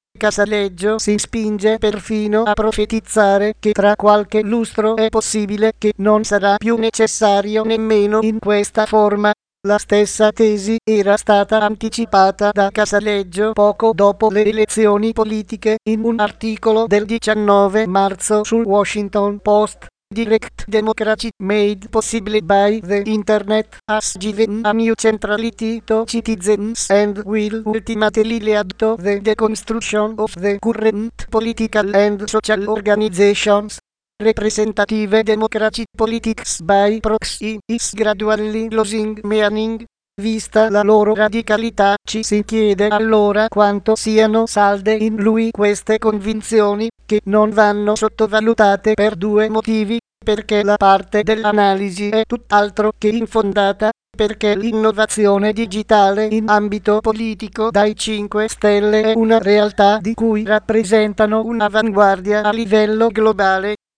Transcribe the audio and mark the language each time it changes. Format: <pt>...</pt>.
<it>Casaleggio si spinge perfino a profetizzare che tra qualche lustro è possibile che non sarà più necessario nemmeno in questa forma. La stessa tesi era stata anticipata da Casaleggio poco dopo le elezioni politiche in un articolo del 19 marzo sul Washington Post.</it> <en>Direct democracy made possible by the internet has given a new centrality to citizens and will ultimately lead to the deconstruction of the current political and social organizations. Representative democracy politics by proxy is gradually losing meaning.</en> <it>Vista la loro radicalità, ci si chiede allora quanto siano salde in lui queste convinzioni, che non vanno sottovalutate per due motivi: perché la parte dell'analisi è tutt'altro che infondata, perché l'innovazione digitale in ambito politico dai 5 Stelle è una realtà di cui rappresentano un'avanguardia a livello globale.</it>